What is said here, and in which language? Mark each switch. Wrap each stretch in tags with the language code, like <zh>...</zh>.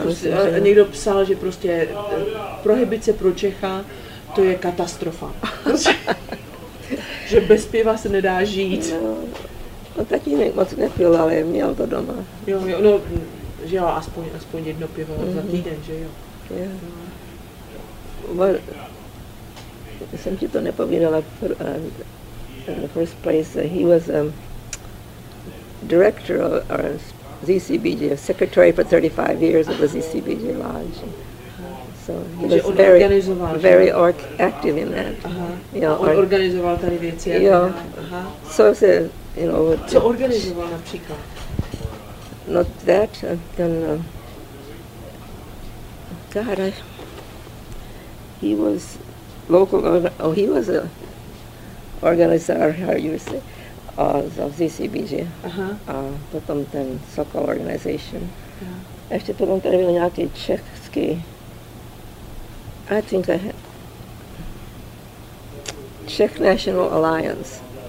<cs>prostě, a někdo psal, že prostě prohibice pro Čecha, to je katastrofa. Že bez piva se nedá žít. No tatínek moc nepil, ale měl to doma. Jo, no, že jo, aspoň jedno pivo za týden, že jo. Já jsem ti to nepovídala,</cs> <en>the first place, he was a director of our ZCBJ, secretary for 35 years of the ZCBJ Lodge. So he was very active in that.</en> <cs>Organizoval tady věci.</cs> <en>So I said, you know,</en> <cs>co organizoval například?</cs> <en>Not that, then, God, he was local, he was an organizer, how you say, of ZCBJ,</en> <cs>potom ten</cs> <en>Sokol organization. Yeah.</en> <cs>Ještě potom tady byl nějaký český,</cs> <en>I think I had, Czech National Alliance.</en>